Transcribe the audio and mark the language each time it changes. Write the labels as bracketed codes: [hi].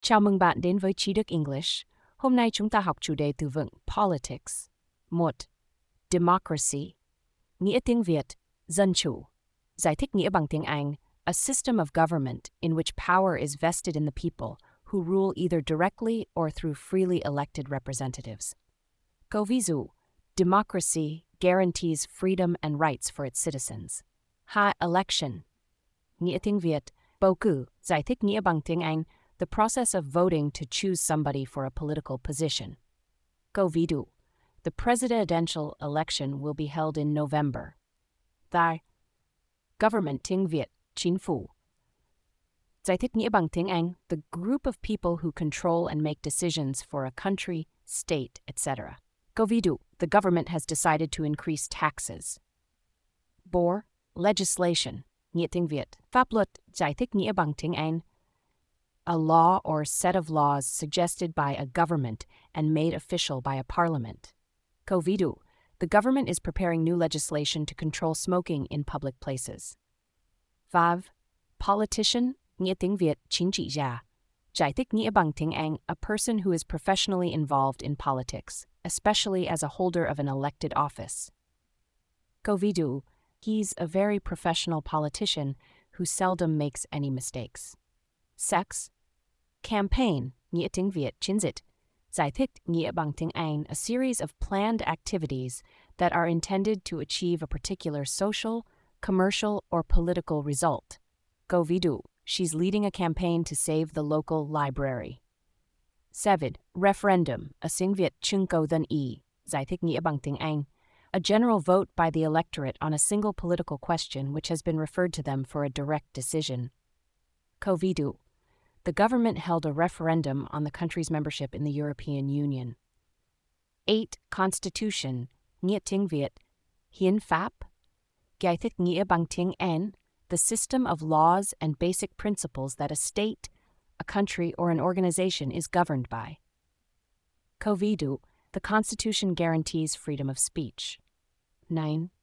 [vi] Chào mừng bạn đến với Trí Đức English. Hôm nay chúng ta học chủ đề từ vựng Politics. 1. Democracy. Nghĩa tiếng Việt, dân chủ. Giải thích nghĩa bằng tiếng Anh, [en] a system of government in which power is vested in the people who rule either directly or through freely elected representatives. [vi] Câu ví dụ, [en] democracy guarantees freedom and rights for its citizens. [vi] Hai, [en] election. [vi] Nghĩa tiếng Việt, bầu cử. Giải thích nghĩa bằng tiếng Anh, [en] the process of voting to choose somebody for a political position. [vi] Câu ví dụ, [en] the presidential election will be held in November. [vi] Thai, government tiếng Việt, chính phủ. Giải thích nghĩa bằng tiếng Anh, [en] the group of people who control and make decisions for a country, state, etc. [vi] Câu ví dụ, [en] the government has decided to increase taxes. [vi] Bốn, legislation, nghĩa tiếng Việt, pháp luật. Giải thích nghĩa bằng tiếng Anh, [en] a law or set of laws suggested by a government and made official by a parliament. [vi] Câu ví dụ, [en] the government is preparing new legislation to control smoking in public places. Five, [vi] politician, nghĩa tiếng Việt, chính trị gia. Giải thích nghĩa bằng tiếng Anh, [en] a person who is professionally involved in politics, especially as a holder of an elected office. [vi] Câu ví dụ, [en] he's a very professional politician who seldom makes any mistakes. [vi] Sex, campaign, nghĩa tiếng Việt, chiến dịch. Giải thích nghĩa bằng tiếng Anh, [en] a series of planned activities that are intended to achieve a particular social, commercial, or political result. [vi] Câu ví dụ, [en] she's leading a campaign to save the local library. 7. [vi] Referendum, a tiếng Việt, chung cầu dân ý. Giải thích nghĩa bằng tiếng Anh, [en] a general vote by the electorate on a single political question which has been referred to them for a direct decision. [vi] Câu ví dụ, [en] the government held a referendum on the country's membership in the European Union. 8. [vi] Constitution, nghĩa tiếng Việt, hiến pháp. Giải thích nghĩa bằng tiếng Anh, [en] the system of laws and basic principles that a state, a country, or an organization is governed by. [vi] Câu ví dụ, [en] the Constitution guarantees freedom of speech. 9.